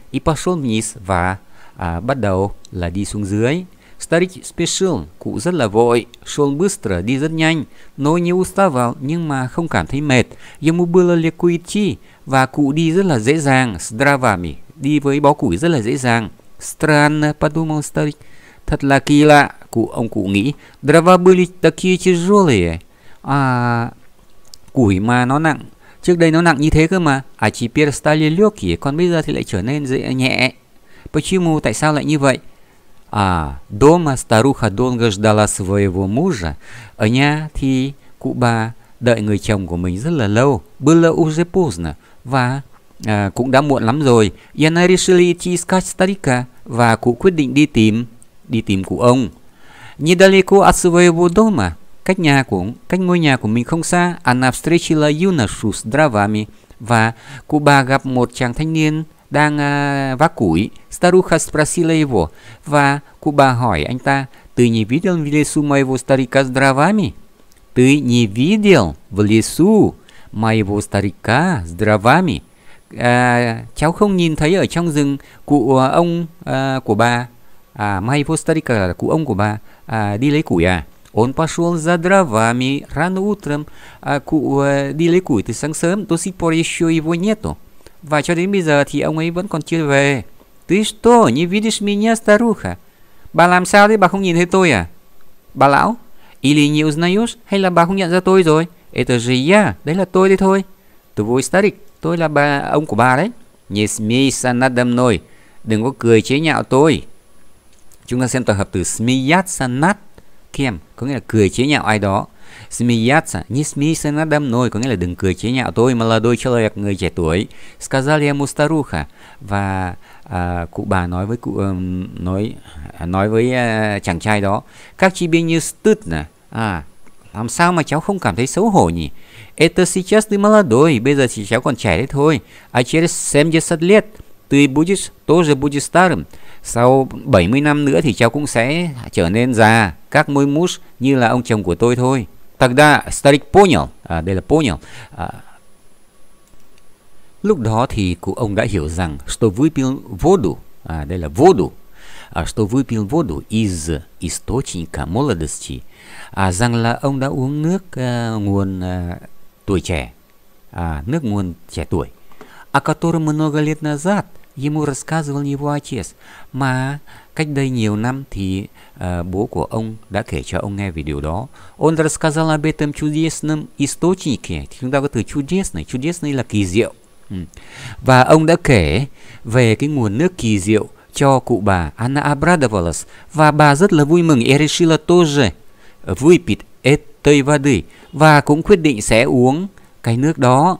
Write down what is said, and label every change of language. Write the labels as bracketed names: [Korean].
[Russian] И пошел вниз, [Vietnamese] và bắt đầu là đi xuống dưới. [Russian] Старик спешил, [Vietnamese] cụ rất là vội. [Russian] Шел быстро, [Vietnamese] đi rất nhanh. [Russian] Но не уставал, [Vietnamese] nhưng mà không cảm thấy mệt. [Russian] Ему было легко идти, [Vietnamese] và cụ đi rất là dễ dàng. [Russian] С дровами, [Vietnamese] đi với bó củi rất là dễ dàng. [Russian] Странно, подумал старик. [Vietnamese] Thật là kỳ lạ, ông cụ nghĩ. [Russian] Дрова были такие тяжелые. [Vietnamese] Củi mà nó nặng, trước đây nó nặng như thế cơ mà. [Russian] Теперь стали легкие, [Vietnamese] còn bây giờ thì lại trở nên dễ nhẹ. [Russian] Почему, [Vietnamese] tại sao lại như vậy? [Russian] Дома старуха долго ждала своего мужа. [Vietnamese] Ở nhà thì cụ bà đợi người chồng của mình rất là lâu. [Russian] Было уже поздно, [Vietnamese] và cũng đã muộn lắm rồi. [Russian] Она решила идти искать старика, [Vietnamese] và cụ quyết định đi tìm cụ ông. [Russian] Недалеко от своего дома, [Vietnamese] cách ngôi nhà của mình không xa. [Russian] Она встретила юношу с дровами, [Vietnamese] và cụ bà gặp một chàng thanh niên đang vác củi. [Russian] Старуха спросила его, [Vietnamese] và cụ bà hỏi anh ta. [Russian] Ты не видел в лесу моего старика с дровами? Ты не видел в лесу моего старика с дровами? [Vietnamese] Cháu không nhìn thấy ở trong rừng cụ ông của bà, [Russian] моего старика, [Vietnamese] cụ ông của bà, đi lấy củi à? [Russian] Он пошел за дровами рано утром. [Vietnamese] Cụ đi lấy củi từ sáng sớm. [Russian] До сих пор еще его нету. [Vietnamese] Và cho đến bây giờ thì ông ấy vẫn còn chưa về. [Russian] Ты что, не видишь меня, старуха? [Vietnamese] Bà làm sao thế, bà không nhìn thấy tôi à? Bà lão? [Russian] Или не узнаешь? [Vietnamese] Hay là bà không nhận ra tôi rồi? [Russian] Это же я, [Vietnamese] đấy là tôi đấy thôi. [Russian] Твой старик, [Vietnamese] tôi là bà, ông của bà đấy. [Russian] Не смейся надо мной, [Vietnamese] đừng có cười chế nhạo tôi. Chúng ta xem tập hợp từ [Russian] смеяться над кем, [Vietnamese] có nghĩa là cười chế nhạo ai đó. [Russian] Смеяться, не смейся надо мной, [Vietnamese] có nghĩa là đừng cười chế nhạo tôi. [Russian] Молодой человек, [Vietnamese] người trẻ tuổi. [Russian] Сказали ему старуха, [Vietnamese] và cụ bà nói với cụ nói với chàng trai đó. Các chị biết như стыд nè, làm sao mà cháu không cảm thấy xấu hổ nhỉ? [Russian] Это сейчас ты молодой, [Vietnamese] bây giờ thì cháu còn trẻ đấy thôi. [Russian] А через 70 лет ты будешь тоже будешь старым. [Vietnamese] Sau 70 năm nữa thì cháu cũng sẽ trở nên già, các môi mút như là ông chồng của tôi thôi. [Russian] Тогда старик понял, [Vietnamese] đây là [Russian] понял. [Vietnamese] Lúc đó thì cụ ông đã hiểu rằng [Russian] что выпил воду, [Vietnamese] đây là [Russian] воду, что выпил воду из источника молодости, [Vietnamese] rằng là ông đã uống nước nguồn tuổi trẻ, nước nguồn trẻ tuổi. [Russian] О котором много лет назад ему рассказывал его отец, [Vietnamese] mà cách đây nhiều năm thì bố của ông đã kể cho ông nghe về điều đó. [Russian] Он рассказал об этом чудесном источнике. [Vietnamese] Thì chúng ta có từ чудесный, чудесный là kỳ diệu. Và ông đã kể về cái nguồn nước kỳ diệu cho cụ bà. [Russian] Она обрадовалась, [Vietnamese] và bà rất là vui mừng. [Russian] И решила тоже выпить этой воды, [Vietnamese] và cũng quyết định sẽ uống cái nước đó.